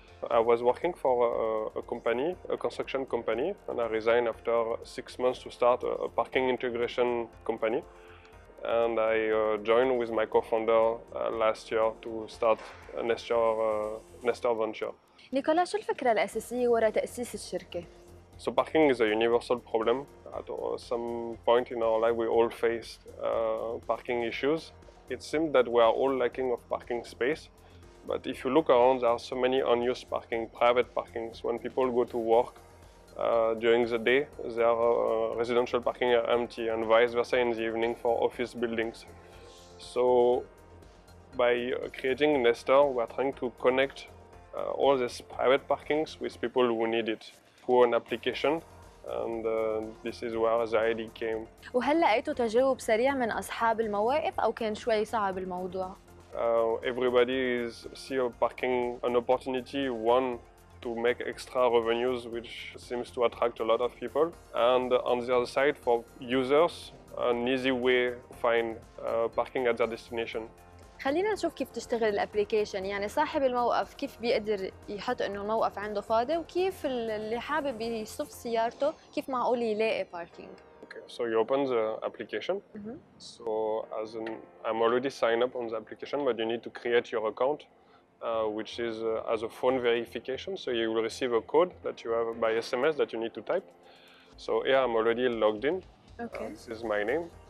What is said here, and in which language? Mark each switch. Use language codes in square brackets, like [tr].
[en] I was working for a construction company, and I resigned after 6 months to start a parking integration company. And I joined with my co-founder last year to start Nestor Venture. [ar] Nicolas, شو الفكرة الأساسية وراء تأسيس الشركة؟ [en] So parking is a universal problem. At some point in our life, we all faced parking issues. It seemed that we are all lacking of parking space, but if you look around, there are so many unused parking, private parkings. When people go to work during the day, their residential parking are empty, and vice versa in the evening for office buildings. So by creating Nestor, we are trying to connect all these private parkings with people who need it through an application. And this is where the idea came. [ar] وهل لقيتوا تجاوب سريع من أصحاب المواقف أو كان شوي صعب الموضوع؟ [en] Everybody is see a parking an opportunity, one to make extra revenues, which seems to attract a lot of people. And on the other side, for users, an easy way to find parking at their destination. [ar] خلينا نشوف كيف تشتغل الابليكيشن، يعني صاحب الموقف كيف بيقدر يحط انه الموقف عنده فاضي، وكيف اللي حابب يصف سيارته كيف معقول يلاقي باركينج. [en] Okay, so you open the application. So as an I'm already signed up on the application, but you need to create your account which is as a phone verification. So you will receive a code that you have by SMS that you need to type. So here I'm already logged in. Okay. This is my name.